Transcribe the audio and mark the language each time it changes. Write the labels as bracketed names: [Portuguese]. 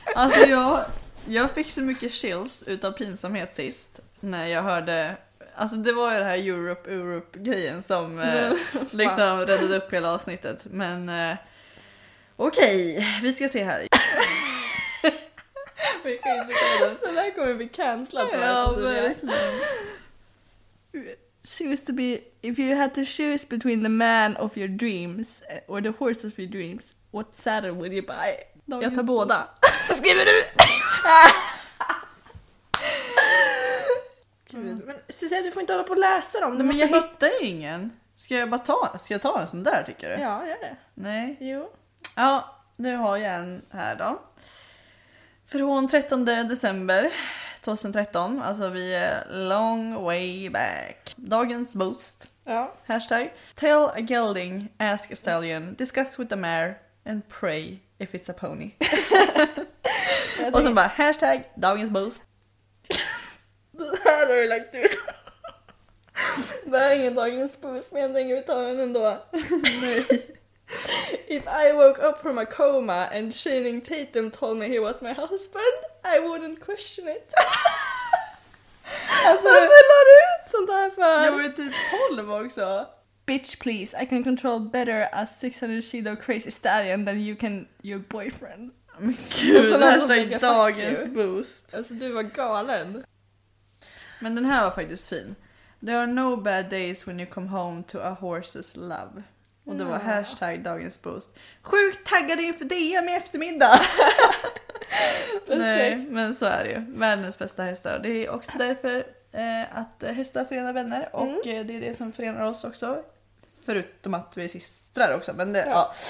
[Swedish] Alltså jag fick så mycket chills utav pinsamhet sist. När jag hörde... Alltså det var ju det här Europe-grejen som liksom räddade upp hela avsnittet. Men okej, okay, vi ska se här. Vi kan inte kolla. Den här kommer bli cancelad på ja, verkligen. [English] To be, if you had to choose between the man of your dreams or the horse of your dreams, what saddle would you buy? [Swedish] Dagens jag tar bo. Båda. Skriver du? Mm. Men Cecilia, du får inte hålla på att läsa dem. Nej, men jag hittar ju ingen. Ska jag ta en sån där tycker du? Ja, gör det. Nej. Jo. Ja, nu har jag en här då. Från 13 december 2013. Alltså vi är [English] long way back. [Swedish] Dagens boost. Ja. Hashtag. [English] Tell a gelding, ask a stallion, discuss with the mare and pray if it's a pony. [Swedish] Och sen bara hashtag dagens boost. Så här har du lagt ut. Det är ingen dagens puss, men jag tänker vi tar den ändå. [English] If I woke up from a coma and Channing Tatum told me he was my husband, I wouldn't question it. [Swedish] Alltså, varför la du ut sånt här för? Jag var typ 12 också. [English] Bitch please, I can control better a 600 kilo crazy stallion than you can your boyfriend. [Swedish] Men gud, det här är dagens puss. Alltså du var galen. Men den här var faktiskt fin. [English] There are no bad days when you come home to a horse's love. [Swedish] Och det var hashtag dagens post. Sjukt taggad inför DM i eftermiddag. Nej, men så är det ju. Världens bästa hästar. Det är också därför att hästar förenar vänner. Och det är det som förenar oss också. Förutom att vi är systrar också. Men det, ja,